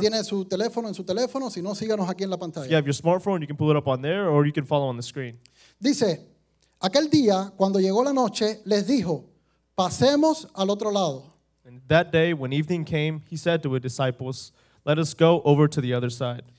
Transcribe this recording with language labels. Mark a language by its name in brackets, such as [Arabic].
[Spanish] Si tienes su teléfono en su teléfono, si no, síganos aquí en la pantalla. [English] If you have your smartphone, you can pull it up on there or you can follow on the screen. [Spanish] Dice, aquel día, cuando llegó la noche, les dijo, pasemos al otro lado. [English] That day, when evening came, he said to his disciples, let us go over to the other side.